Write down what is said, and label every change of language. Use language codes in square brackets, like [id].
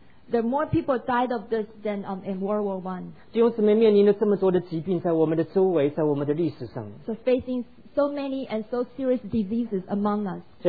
[en] There are more people died of this than in World War I. [zh] 弟兄姊妹面临了这么多的疾病在我们的周围,在我们的历史上。 [en] So facing so many and so serious diseases among us.